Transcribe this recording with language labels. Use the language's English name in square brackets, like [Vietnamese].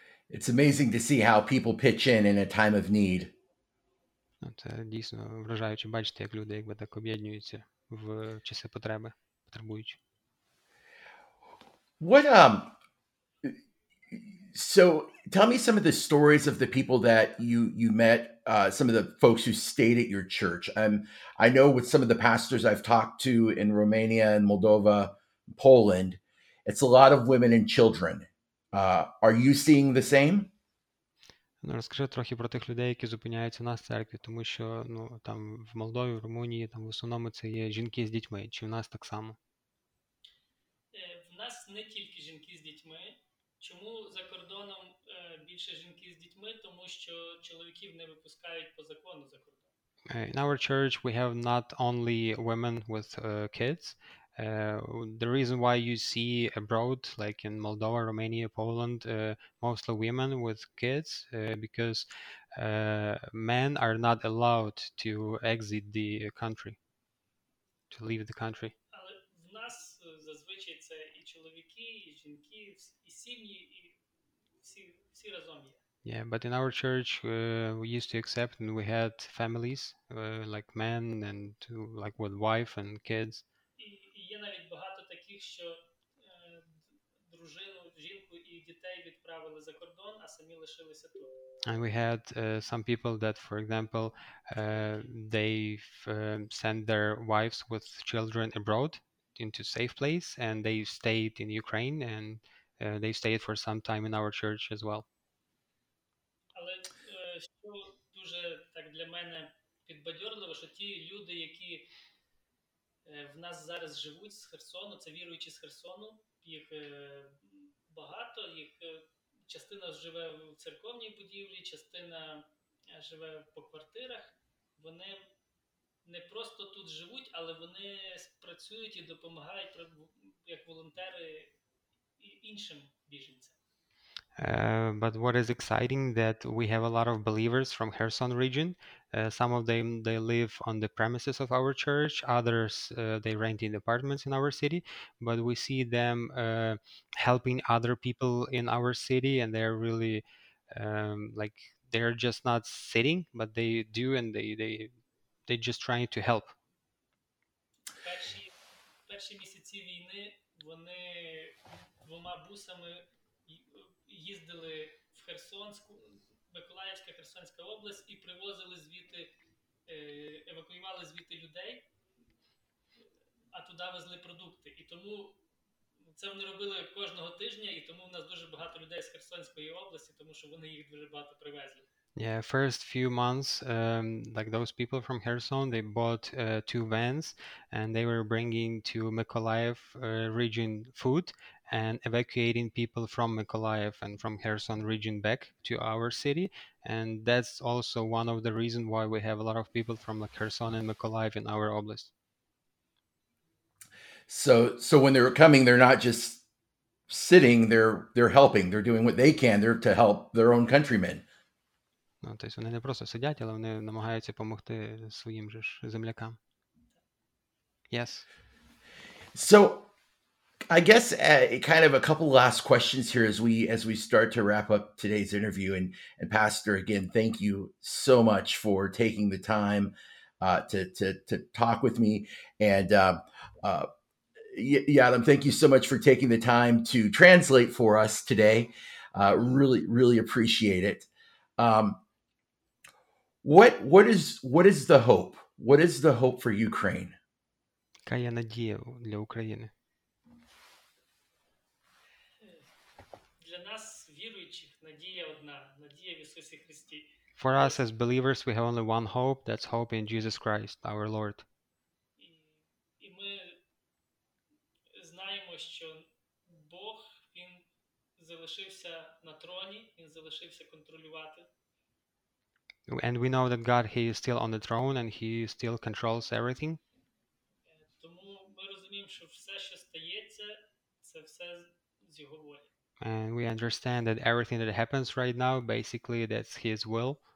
[English] It's amazing to see how people pitch in a time of need. [Ukrainian] Це дійсно вражаюче бачити, як люди якби так об'єднуються. В часи потреби, потребуючи. [English] What so tell me some of the stories of the people that you met, some of the folks who stayed at your church. I know with some of the pastors I've talked to in Romania and Moldova, Poland, it's a lot of women and children. Are you seeing the same? [Ukrainian] Ну, розкажи трохи про тих людей, які зупиняються у нас в церкві, тому що, ну, там в Молдові, в Румунії, там в основному це є жінки з дітьми. Чи в нас так само? В нас не тільки жінки з дітьми. Чому за кордоном більше жінки з дітьми? Тому що чоловіків не випускають по закону за кордон. [English] In our church we have not only women with kids. The reason why you see abroad, like in Moldova, Romania, Poland, mostly women with kids, because men are not allowed to exit the country, to leave the country. [Ukrainian] Але в нас зазвичай це і чоловіки, і жінки, і сім'ї, і всі разом є. [English] Yeah, but in our church we used to accept, and we had families, like men and like with wife and kids. [Ukrainian] Є навіть багато таких, що дружину, жінку і дітей відправили за кордон, а самі лишилися тут. [English] And we had some people that, for example, sent their wives with children abroad into safe place, and they stayed in Ukraine, and they stayed for some time in our church as well. [Ukrainian] Але що дуже так для мене підбадьорливо, що ті люди, які в нас зараз живуть з Херсону, це віруючі з Херсону, їх багато, їх частина живе в церковній будівлі, частина живе по квартирах. Вони не просто тут живуть, але вони працюють і допомагають як волонтери іншим біженцям. [English] But what is exciting that we have a lot of believers from Kherson region. Some of them, they live on the premises of our church. Others, they rent in apartments in our city. But we see them helping other people in our city. And they're really, like, they're just not sitting, but they do. And they just trying to help. [Ukrainian] Перші місяці війни вони двома бусами їздили в Херсонську, Миколаївська, Херсонська область, і привозили звідти, евакуювали звідти людей, а туди везли продукти. І тому це вони робили кожного тижня, і тому в нас дуже багато людей з Херсонської області, тому що вони їх дуже багато привезли. [English] Yeah, first few months, like those people from Kherson, they bought two vans, and they were bringing to Mykolaiv region food and evacuating people from Mykolaiv and from Kherson region back to our city. And that's also one of the reasons why we have a lot of people from like Kherson and Mykolaiv in our oblast. So when they're coming, they're not just sitting, they're helping, they're doing what they can, they're to help their own countrymen. [Ukrainian] Ну, тобто вони не просто сидять, але вони намагаються допомогти своїм же ж землякам. [English] Yes. So, I guess kind of a couple last questions here as we start to wrap up today's interview. And Pastor, again, thank you so much for taking the time to talk with me. And Yadam, thank you so much for taking the time to translate for us today. Really, really appreciate it. What is the hope? What is the hope for Ukraine? [Ukrainian] Яка є надія для України? Для нас віруючих надія одна, надія в Ісусі Христі. [English] For us as believers, we have only one hope, that's hope in Jesus Christ, our Lord. [Ukrainian] І ми знаємо, що Бог, він залишився на троні, він залишився контролювати. [English] And we know that God, he is still on the throne and he still controls everything. [Ukrainian] Тому ми розуміємо, що все, що стається, це все з його волі. [English] And we understand that everything that happens right now, basically, that's his will.